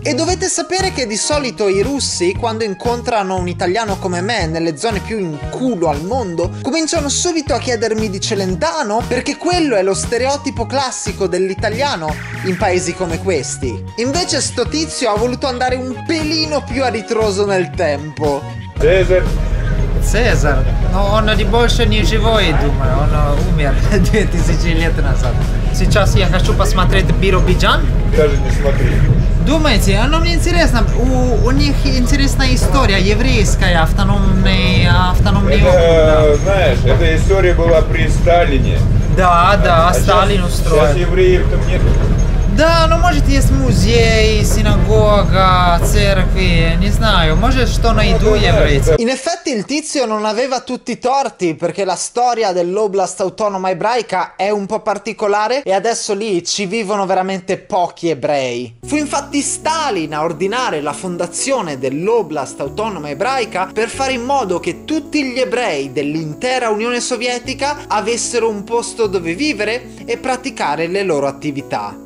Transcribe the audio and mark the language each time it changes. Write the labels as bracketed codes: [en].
[it] E dovete sapere che di solito i russi, quando incontrano un italiano come me nelle zone più in culo al mondo, cominciano subito a chiedermi di Celentano, perché quello è lo stereotipo classico dell'italiano in paesi come questi. Invece sto tizio ha voluto andare un pelino più a ritroso nel tempo. Cesar. Cesar. No, onna di [ru] больше не живой, думаю. Он умер 2000 лет назад. Сейчас я хочу посмотреть Биробиджан. Даже не смотри. Думаете, оно мне интересно. У них интересная история еврейская, автономный это, опыт, да. Знаешь, эта история была при Сталине. Да, да, а Сталин сейчас, устроил. Сейчас евреев там нет. Да, ну может есть музей, синагога, церкви, не знаю, может что найду я в этом. [it] In effetti il tizio non aveva tutti i torti, perché la storia dell'oblast autonoma ebraica è un po' particolare e adesso lì ci vivono veramente pochi ebrei. Fu infatti Stalin a ordinare la fondazione dell'oblast autonoma ebraica per fare in modo che tutti gli ebrei dell'intera Unione Sovietica avessero un posto dove vivere e praticare le loro attività.